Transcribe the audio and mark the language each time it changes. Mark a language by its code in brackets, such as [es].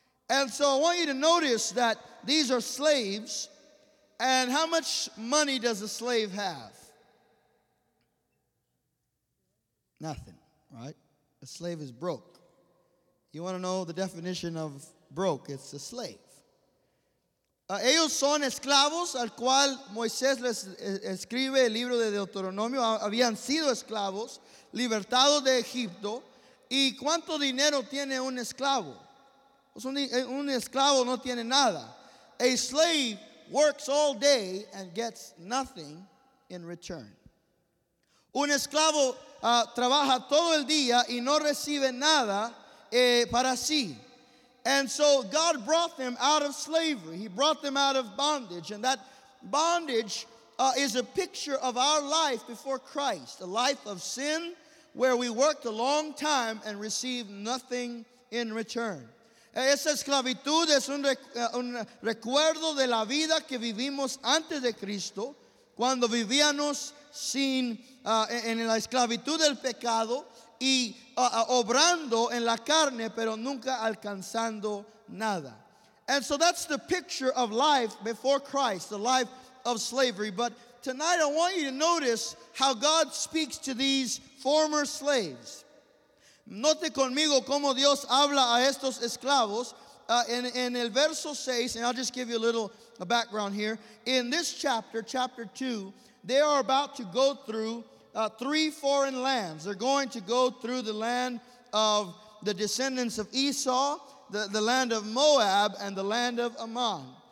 [en] And so I want you to notice that these are slaves. And how much money does a slave have? Nothing, right? A slave is broke. You want to know the definition of broke? It's a slave. [es] Ellos son esclavos al cual Moisés les escribe el libro de Deuteronomio. Habían sido esclavos, libertados de Egipto. ¿Y cuánto dinero tiene un esclavo? Un esclavo no tiene nada. [en] A slave works all day and gets nothing in return. [es] Un esclavo trabaja todo el día y no recibe nada para sí. [en] And so God brought them out of slavery. He brought them out of bondage. And that bondage is a picture of our life before Christ, a life of sin where we worked a long time and received nothing in return. [es] Esa esclavitud es un recuerdo de la vida que vivimos antes de Cristo, cuando vivíamos sin en la esclavitud del pecado y obrando en la carne, pero nunca alcanzando nada. [en] And so that's the picture of life before Christ, the life of slavery. But tonight I want you to notice how God speaks to these former slaves. [es] Note conmigo cómo Dios habla a estos esclavos. En el verso 6, [en] and I'll just give you a little background here. In this chapter, chapter 2, they are about to go through three foreign lands. They're going to go through the land of the descendants of Esau, the land of Moab, and the land of Ammon.